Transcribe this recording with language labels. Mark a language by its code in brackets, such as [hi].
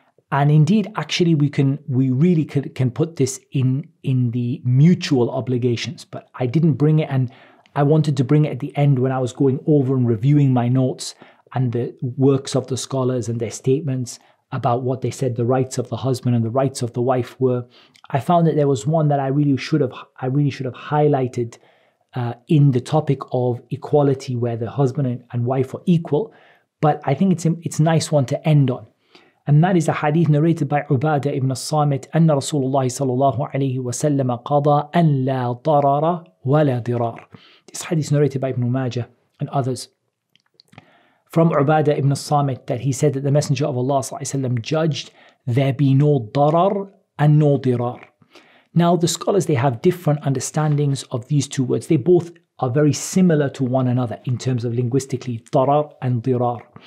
[en] And indeed, actually, we really can put this in the mutual obligations, but I didn't bring it, and I wanted to bring it at the end when I was going over and reviewing my notes and the works of the scholars and their statements about what they said the rights of the husband and the rights of the wife were. I found that there was one that I really should have highlighted in the topic of equality, where the husband and wife are equal. But I think it's a nice one to end on. And that is a hadith narrated by Ubadah ibn Samit, [ar] أن رسول الله صلى الله عليه وسلم قضى أن لا ضرر ولا ضرار. [en] This hadith narrated by Ibn Majah and others from Ubadah ibn Samit, that he said that the Messenger of Allah [ar] صلى الله عليه وسلم [en] judged there be no ضرر and no ضرار. Now the scholars, they have different understandings of these two words. They both are very similar to one another in terms of linguistically, ضرر and ضرار.